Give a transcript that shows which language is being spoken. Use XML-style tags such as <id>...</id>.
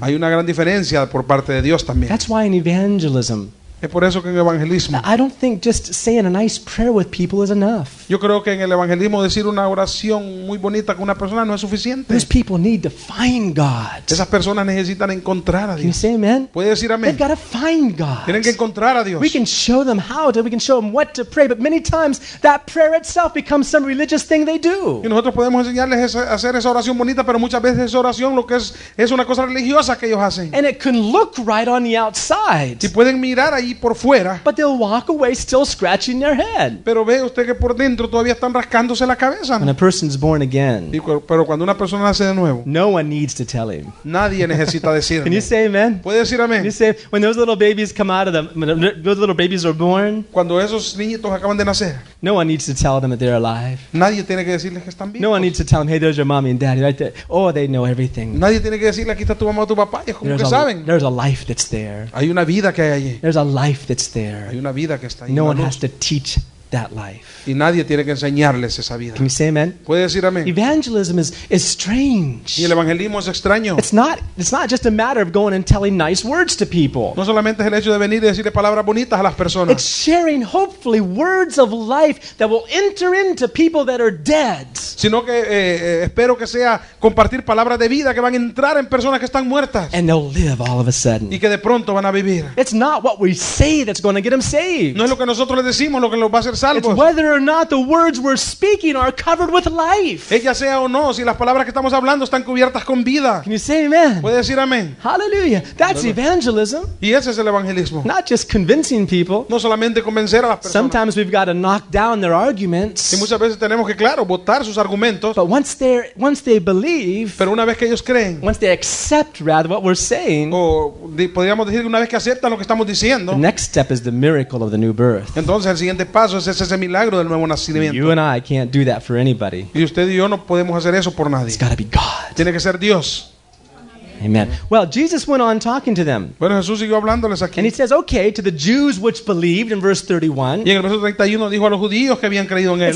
<es>Hay una gran diferencia por parte de Dios también.</es> <en>That's why in evangelism.</en> <es>Es por eso que en evangelismo.</es> <en>I don't think just saying a nice prayer with people is enough.</en> <es>Yo creo que en el evangelismo decir una oración muy bonita con una persona no es suficiente.</es> <en>These people need to find God.</en> <es>Esas personas necesitan encontrar a Dios.</es> <en>Can you say amen?</en> <es>¿Puedes decir amén?</es> <en>They've got to find God.</en> <es>Tienen que encontrar a Dios.</es> <en>We can show them how to. We can show them what to pray. But many times that prayer itself becomes some religious thing they do.</en> <es>Y nosotros podemos enseñarles a hacer esa oración bonita, pero muchas veces esa oración lo que es una cosa religiosa que ellos hacen.</es> <en>And it can look right on the outside.</en> <es>Y pueden mirar ahí ahí por fuera.</es> <en>But they'll walk away still scratching their head.</en> <es>Pero ve usted que por dentro todavía están rascándose la cabeza.</es> <en>When a person's born again.</en> <es>Pero cuando una persona nace de nuevo.</es> <en>No one needs to tell him.</en> <es>Nadie necesita decirle.</es> <en>Can you say amen?</en> <es>¿Puede decir amén?</es> <en>Can you say when those little babies come out of them, when those little babies are born?</en> <es>Cuando esos niñitos acaban de nacer.</es> <en>No one needs to tell them that they're alive.</en> <es>Nadie tiene que decirles que están vivos.</es> <en>No one needs to tell them, hey, there's your mommy and daddy right there. Oh, they know everything.</en> <es>Nadie tiene que decirle, aquí está tu mamá o tu papá. Es como que saben.</es> <en>There's a life that's there.</en> <es>Hay una vida que hay allí.</es> <en>There's a life that's there.</en> <es>Hay una vida que está ahí.</es> <en>No one has to teach that life.</en> <es>Y nadie tiene que enseñarles esa vida.</es> <en>Can you say amen?</en> <es>¿Puede decir amén?</es> <en>Evangelism is strange.</en> <es>Y el evangelismo es extraño.</es> <en>It's not just a matter of going and telling nice words to people.</en> <es>No solamente es el hecho de venir y decirle palabras bonitas a las personas.</es> <en>It's sharing hopefully words of life that will enter into people that are dead.</en> <es>Sino que espero que sea compartir palabras de vida que van a entrar en personas que están muertas.</es> <en>And they'll live all of a sudden.</en> <es>Y que de pronto van a vivir.</es> <en>It's not what we say that's going to get them saved.</en> <es>No es lo que nosotros les decimos lo que los va a hacer salvos.</es> <en>It's whether or not the words we're speaking are covered with life.</en> <es>Ella sea o no, si las palabras que estamos hablando están cubiertas con vida.</es> <en>Can you say amen?</en> <es>¿Puede decir amén?</es> <en>Hallelujah. That's evangelism.</en> <es>Y ese es el evangelismo.</es> <en>Not just convincing people.</en> <es>No solamente convencer a las personas.</es> <en>Sometimes we've got to knock down their arguments.</en> <es>Y muchas veces tenemos que, claro, botar sus argumentos.</es> <en>But once they believe.</en> <es>Pero una vez que ellos creen.</es> <en>Once they accept rather what we're saying.</en> <es>O podríamos decir que una vez que aceptan lo que estamos diciendo.</es> <en>The next step is the miracle of the new birth.</en> <es>Entonces el siguiente paso es ese milagro.</es> <en>You and I can't do that for anybody.</en> <es>Y usted y yo no podemos hacer eso por nadie.</es> <en>It's got to be God.</en> <es>Tiene que ser Dios.</es> <en>Amen. Well, Jesus went on talking to them.</en> <es>Bueno, Jesús siguió hablándoles aquí.</es> <en>And he says, okay, to the Jews which believed in verse 31.</en> <es>Y en el verso 31 dijo a los judíos que habían creído en él.</es>